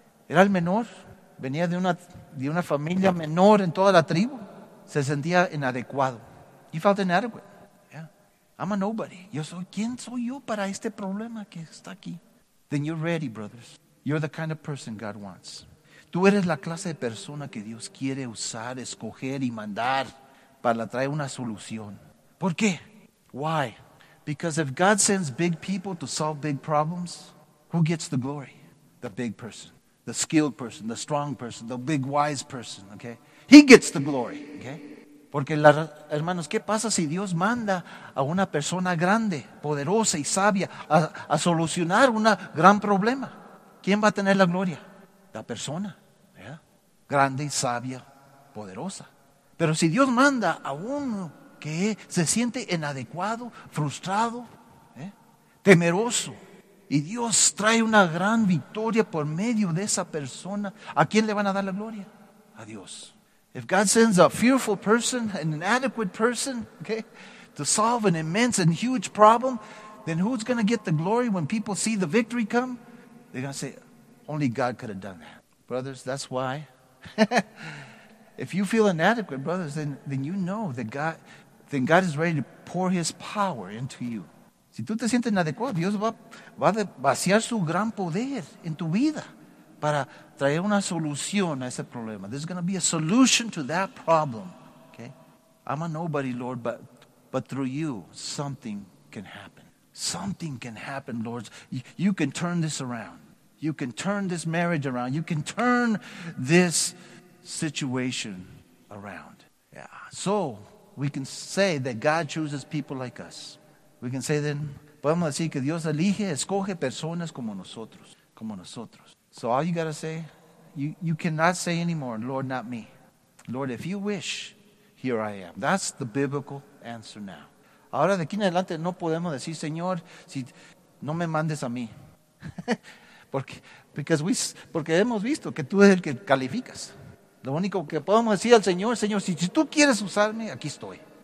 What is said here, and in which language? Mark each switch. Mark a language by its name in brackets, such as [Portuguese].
[Spanish] Era el menor, venía de una familia menor en toda la tribu, se sentía inadecuado. [English] He felt inadequate. Yeah. I'm a nobody. [Spanish] ¿Quién soy yo para este problema que está aquí? [English] Then you're ready, brothers. You're the kind of person God wants. [Spanish] Tú eres la clase de persona que Dios quiere usar, escoger y mandar para traer una solución. ¿Por qué? [English] Why? Because if God sends big people to solve big problems, who gets the glory? The big person, the skilled person, the strong person, the big wise person, okay? He gets the glory, okay? [Spanish] Porque, hermanos, ¿qué pasa si Dios manda a una persona grande, poderosa y sabia a solucionar un gran problema? ¿Quién va a tener la gloria? La persona, ¿verdad? Grande, sabia, poderosa. Pero si Dios manda a uno que se siente inadecuado, frustrado, ¿eh? Temeroso, y Dios trae una gran victoria por medio de esa persona, ¿a quién le van a dar la gloria? A Dios. [English] If God sends a fearful person, an inadequate person, okay, to solve an immense and huge problem, then who's going to get the glory when people see the victory come? They're going to say, only God could have done that. Brothers, that's why If you feel inadequate, brothers, then you know that God is ready to pour His power into you. [Spanish] Si tú te sientes inadecuado, Dios va a vaciar su gran poder en tu vida para traer una solución a ese problema. [English] There's going to be a solution to that problem. Okay? I'm a nobody, Lord, but through you, something can happen. Something can happen, Lord. You can turn this around. You can turn this marriage around. You can turn this situation around. Yeah. So we can say that God chooses people like us. We can say then, [Spanish] podemos decir que Dios elige, escoge personas como nosotros. Como nosotros. [English] So all you got to say, you cannot say anymore, Lord, not me. Lord, if you wish, here I am. That's the biblical answer now. [Spanish] Ahora de aquí en adelante no podemos decir, Señor, si no me mandes a mí. Porque hemos visto que tú eres el que calificas. Lo único que podemos decir al Señor, Señor, si tú quieres usarme, aquí estoy.